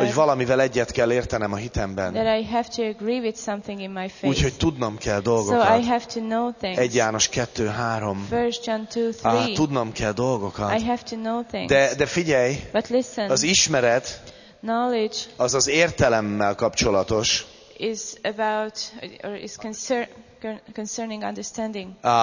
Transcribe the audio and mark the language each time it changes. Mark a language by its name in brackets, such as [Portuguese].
[Hungarian] hogy valamivel egyet kell értenem a hitemben. [English] That I have to agree with something in my faith. [Hungarian] Úgyhogy tudnom kell dolgokat. [English] So I have to know things. [Hungarian] 1 János 2:3. [English] 1 John 2:3. [Hungarian] Tudnom kell dolgokat. [English] I have to know things. [Hungarian] De figyelj, [English] but listen, [Hungarian] az ismeret [English] knowledge [Hungarian] az az értelemmel kapcsolatos. [English] Is about or is concerning understanding.